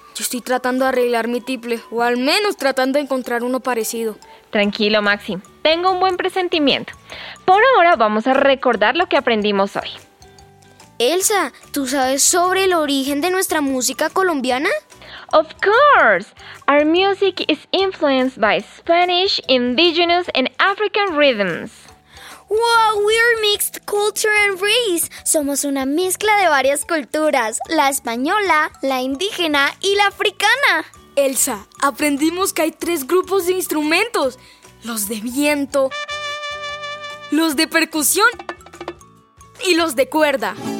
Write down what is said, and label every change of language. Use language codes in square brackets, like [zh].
[es] Yo estoy tratando de arreglar mi tiple, o al menos tratando de encontrar uno parecido. Tranquilo, Maxi. Tengo un buen presentimiento. Por ahora, vamos a recordar lo que aprendimos hoy. Elsa, ¿tú sabes sobre el origen de nuestra música colombiana? [en] Of course! Our music is influenced by Spanish, indigenous, and African rhythms. Wow, we're mixed culture and race. [es] Somos una mezcla de varias culturas, la española, la indígena y la africana. Elsa, aprendimos que hay tres grupos de instrumentos. Los de viento, los de percusión y los de cuerda.